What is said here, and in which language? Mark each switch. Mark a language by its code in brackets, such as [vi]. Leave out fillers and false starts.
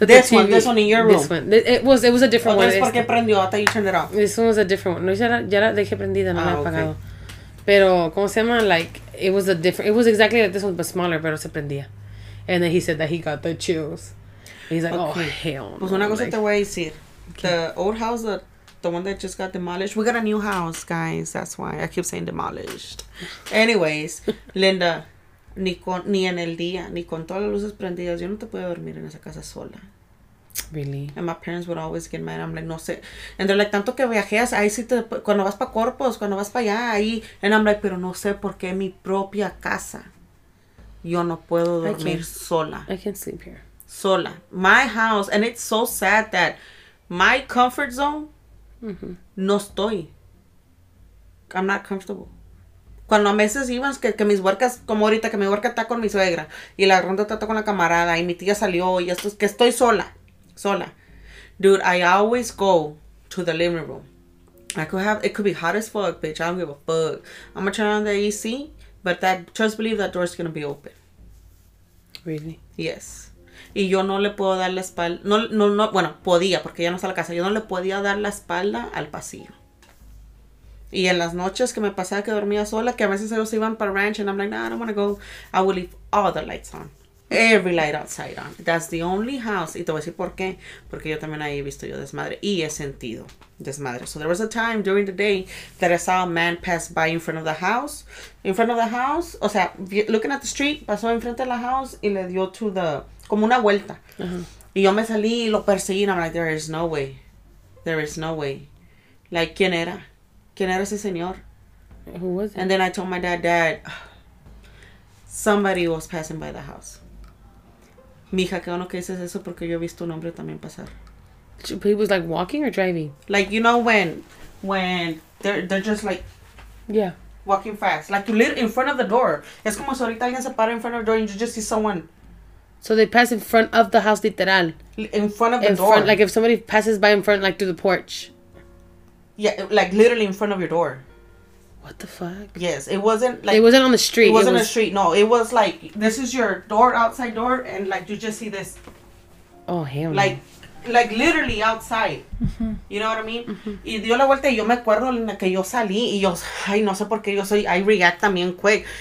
[en] This one in your room. It was a different one. I thought you turned it off. [es] Pero, ¿cómo se llama? [en] Like, it was a different, it was exactly like this one, but smaller, [es] pero se prendía. [en] And then he said that he got the chills. And he's like, okay. Oh, hell no. [es] Pues una cosa, like, te voy a decir. [en] Okay. The old house that... The one that just got demolished. We got a new house, guys. That's why I keep saying demolished. [es] Anyways, Linda, ni en el día, ni con todas las luces prendidas, yo no te puedo dormir en esa casa sola. [en] Really? And my parents would always get mad. I'm like, [es] no sé. [en] And they're like, [es] tanto que viajeas, ahí sí te... Cuando vas para Corpus, cuando vas para allá, ahí... [en] And I'm like, [es] pero no sé por qué mi propia casa. Yo no puedo dormir sola. [en] I can't sleep here. [es] Sola. [en] My house. And it's so sad that my comfort zone... Mm-hmm. [es] No estoy. [en] I'm not comfortable. [es] Cuando a meses iban, que mis huercas, como ahorita, que mi huerca está con mi suegra, y la ronda está con la camarada, y mi tía salió, y esto es que estoy sola. Sola. [en] Dude, I always go to the living room. It could be hot as fuck, bitch. I don't give a fuck. I'm gonna turn on the AC, but trust believe that door is gonna be open. Really? Yes. [es] Y yo no le puedo dar la espalda. Bueno, podía, porque ya no está la casa. Yo no le podía dar la espalda al pasillo. Y en las noches que me pasaba que dormía sola, que a veces ellos iban para ranch, [en] and I'm like, no, I don't want to go. I will leave all the lights on. Every light outside on. That's the only house. [es] Y te voy a decir por qué. Porque yo también ahí he visto yo desmadre. Y he sentido desmadre. [en] So there was a time during the day that I saw a man pass by in front of the house. In front of the house. [es] O sea, [en] looking at the street, [es] pasó en frente de la house y le dio [en] to the... [es] Como una vuelta. Uh-huh. Y yo me salí y lo perseguí. [en] And I'm like, there is no way. [es] There is no way. Like, ¿quién era? ¿Quién era ese señor? [en] Who was it? And then I told my dad, somebody was passing by the house. [es] Mija, qué bueno que dices eso porque yo he visto un hombre también pasar. [en] He was like walking or driving? Like, you know when when they're just like, yeah, walking fast, like you lit in front of the door. [es] Es como si ahorita alguien se para [en] in front of the door and you just see someone. So they pass in front of the house, literal. In front of the door. Front, like if somebody passes by in front, like through the porch. Yeah, like literally in front of your door. What the fuck? Yes, it wasn't like... It wasn't on the street. It wasn't a street. No, it was like, this is your door, outside door, and like you just see this. Oh, hell. Like literally outside. Mm-hmm. You know what I mean? [es] Mm-hmm. Y dio la vuelta y yo me acuerdo en la que yo salí y yo, ay, no sé por qué yo soy, [en] I react [es] también quick.